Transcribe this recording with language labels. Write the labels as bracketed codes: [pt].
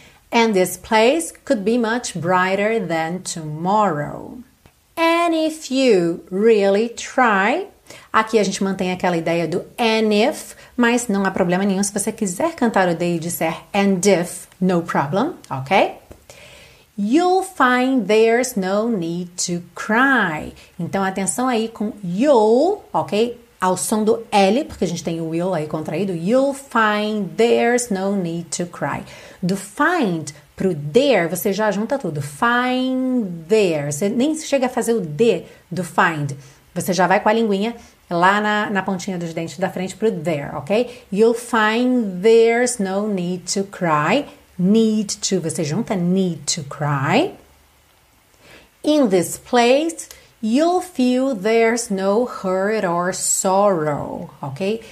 [en] And this place could be much brighter than tomorrow. [pt] And if you really try, aqui a gente mantém aquela ideia do and if, mas não há problema nenhum se você quiser cantar o day e disser and if, no problem, ok? [en] You'll find there's no need to cry. [pt] Então, atenção aí com you'll, ok? Ao som do L, porque a gente tem o will aí contraído. [en] You'll find there's no need to cry. [pt] Do find pro there, você já junta tudo. Find there. Você nem chega a fazer o D do find. Você já vai com a linguinha lá na pontinha dos dentes da frente pro there, ok? [en] You'll find there's no need to cry. Need to, você junta need to cry. In this place, you'll feel there's no hurt or sorrow, ok?